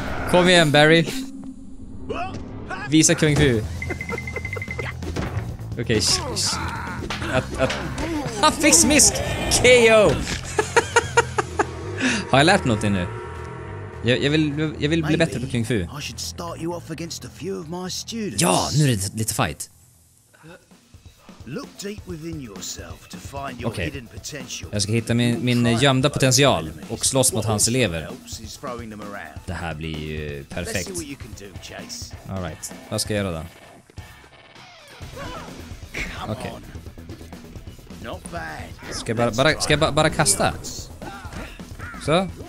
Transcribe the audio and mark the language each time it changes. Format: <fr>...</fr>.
<sv>Kom igen, Barry. Visa kung fu. Okej. Han fick smisk. KO. Har jag lärt någonting nu? Jag vill bli bättre på kung fu.</sv> <en>I should start you off against a few of my students.</en> <sv>Ja, nu är det lite fight.</sv> <en>Look deep within yourself to find your hidden potential.</en> <sv>Okay. Jag ska hitta min gömda potential och slåss mot hans elever. Det här blir ju perfekt.</sv> <en>All right.</en> <sv>Vad ska jag göra då? Okej.</sv> <en>Not bad.</en> <sv>Ska jag bara kasta? Så?</sv>